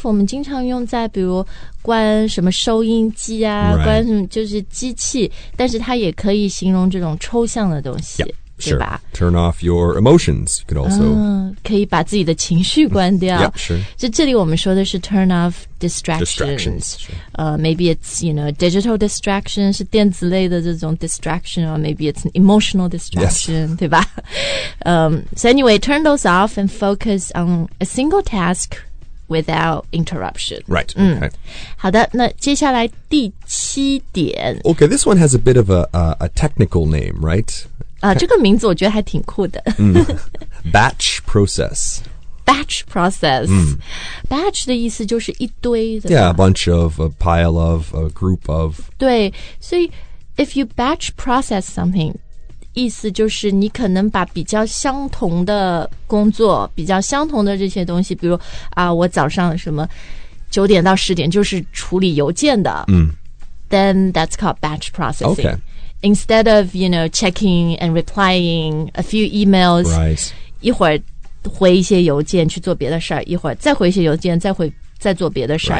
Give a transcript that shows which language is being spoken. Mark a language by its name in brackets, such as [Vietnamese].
[Chinese] 我们经常用在比如关什么收音机啊， [English] right. [Chinese] 关什么就是机器，但是它也可以形容这种抽象的东西， [English] yeah, [Chinese] 对吧 [English] sure. Turn off your emotions. You could also [Chinese] 可以把自己的情绪关掉。 [English] Yeah, sure. [Chinese] 就这里我们说的是 [English] turn off distractions. Sure. Maybe it's, you know, digital distraction, [Chinese] 是电子类的这种 [English] distraction, or maybe it's an emotional distraction,、 yes. [Chinese] 对吧？ [English] So anyway, turn those off and focus on a single task without interruption. Right, okay. [Chinese] 好的，那接下来第七点。 [English] Okay, this one has a bit of a technical name, right? [Chinese] 这个名字我觉得还挺酷的。 [English] Batch process. [Chinese] Batch process. Batch 的意思就是一堆的。 [English] Yeah, a bunch of, a pile of, a group of. [Chinese] 对，所以 [English] if you batch process something, [Chinese] 意思就是你可能把比较相同的工作比较相同的这些东西比如我早上什么九点到十点就是处理邮件的、 [English] Then that's called batch processing、 okay. Instead of, you know, checking and replying a few emails、 right. [Chinese] 一会儿回一些邮件去做别的事儿，一会儿再回一些邮件再做别的事儿、